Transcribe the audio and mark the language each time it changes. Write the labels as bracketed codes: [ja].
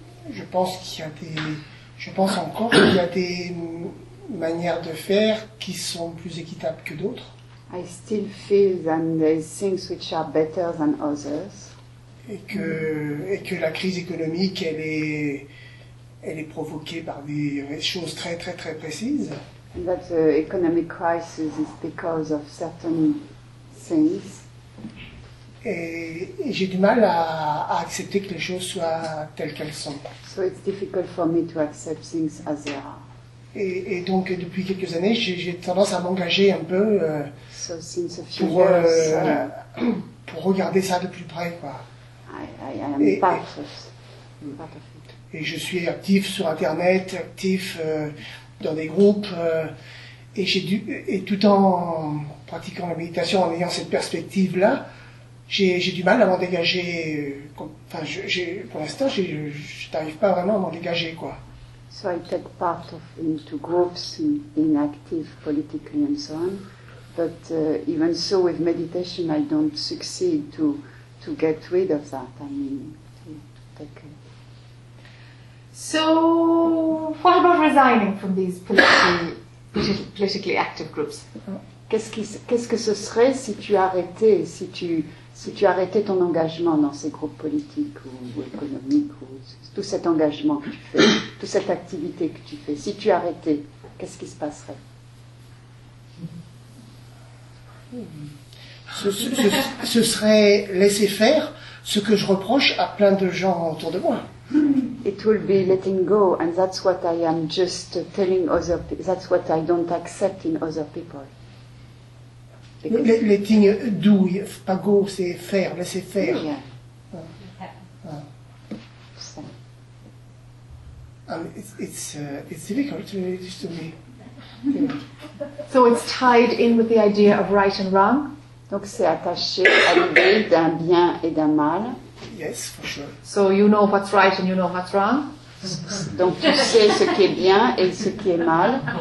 [fr] Je pense qu'il y a des, je pense encore qu'il y a des manières de faire qui sont plus équitables que d'autres. [en] I still feel that there's things which are better than others. [fr] Et que la crise économique, elle est provoquée par des choses très très très précises. [en] That the economic crisis is because of certain things. [fr] Et j'ai du mal à accepter que les choses soient telles qu'elles sont. [en] So it's difficult for me to accept things as they are. [fr] Et donc, depuis quelques années, j'ai tendance à m'engager un peu [en] So since a few [fr] pour, [en] years, [fr] pour regarder ça de plus près, quoi. [en] I am part of it. [fr] Et je suis actif sur Internet, actif dans des groupes, et tout en pratiquant la méditation, en ayant cette perspective-là, j'ai du mal à m'en dégager. Pour l'instant, je n'arrive pas vraiment à m'en dégager, quoi. [en] So I take part of into groups, in active politically and so on. But even so, with meditation, I don't succeed to get rid of that. I mean, to take it. So, what about resigning from these politically active groups? [fr] Qu'est-ce que ce serait si tu arrêtais, si tu arrêtais ton engagement dans ces groupes politiques ou économiques, ou tout cet engagement que tu fais, toute cette activité que tu fais, si tu arrêtais, qu'est-ce qui se passerait? Ce serait laisser faire ce que je reproche à plein de gens autour de moi. [en] It will be letting go, and that's what I am just telling other people. That's what I don't accept in other people. Because Letting do, [fr] pas go, c'est faire, laisser faire. yeah. [en] It's difficult just to me. So it's tied in with the idea of right and wrong. [fr] Donc c'est attaché à l'idée d'un bien et d'un mal. [en] Yes, for sure. So you know what's right and you know what's wrong. [fr] Donc tu sais ce qui est bien et ce qui est mal.